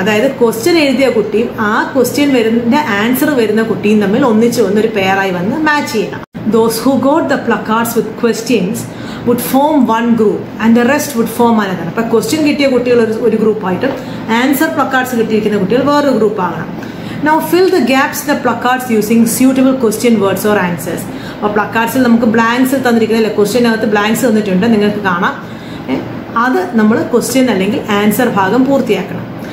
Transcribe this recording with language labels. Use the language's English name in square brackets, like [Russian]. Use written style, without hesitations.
[Malayalam] അതായത് ക്വസ്റ്റ്യൻ എഴുതിയ കുട്ടിയും ആ ക്വസ്റ്റ്യൻ വരുന്ന ആൻസർ വരുന്ന കുട്ടിയും തമ്മിൽ ഒന്നിച്ച് വന്നൊരു പെയറായി വന്ന് മാച്ച് ചെയ്യണം. [English] Those who got the placards with questions would form one group and the rest would form another. [Malayalam] അപ്പോൾ ക്വസ്റ്റ്യൻ കിട്ടിയ കുട്ടികൾ ഒരു ഗ്രൂപ്പായിട്ടും ആൻസർ പ്ലക് കാർഡ്സ് കിട്ടിയിരിക്കുന്ന കുട്ടികൾ വേറൊരു ഗ്രൂപ്പാകണം. [English] Now fill the gaps in the placards using suitable question words or answers. [Malayalam] അപ്പോൾ പ്ലക്കാർഡ്സിൽ നമുക്ക് blanks തന്നിരിക്കുന്നത് അല്ലേ, ക്വസ്റ്റ്യൻ അകത്ത് ബ്ലാങ്ക്സ് തന്നിട്ടുണ്ട് നിങ്ങൾക്ക് കാണാം. അത് നമ്മൾ ക്വസ്റ്റ്യൻ അല്ലെങ്കിൽ ആൻസർ ഭാഗം പൂർത്തിയാക്കണം.